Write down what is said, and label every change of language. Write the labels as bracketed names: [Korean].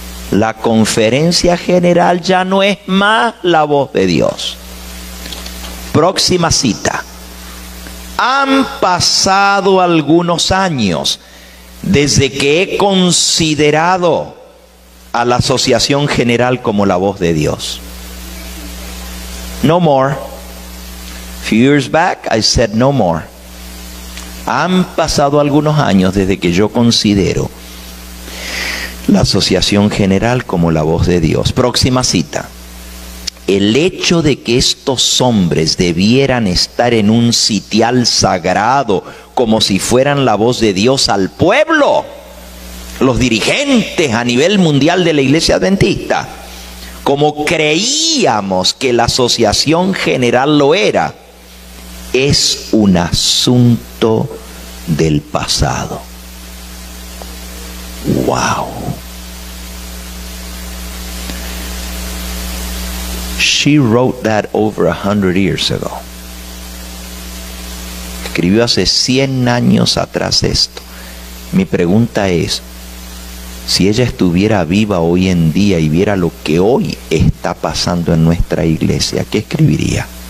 [Spanish] La conferencia general ya no es más la voz de Dios. Próxima cita. Han pasado algunos años desde que he considerado a la Asociación General como la voz de Dios. [English] No more. Few years back, I said no more. [Spanish] Han pasado algunos años desde que yo considero la Asociación General como la voz de Dios. Próxima cita. El hecho de que estos hombres debieran estar en un sitial sagrado como si fueran la voz de Dios al pueblo, los dirigentes a nivel mundial de la iglesia adventista, como creíamos que la Asociación General lo era, es un asunto del pasado. [English] Wow. She wrote that over 100 years ago. [Spanish] Escribió hace 100 años atrás esto. Mi pregunta es, si ella estuviera viva hoy en día y viera lo que hoy está pasando en nuestra iglesia, ¿qué escribiría?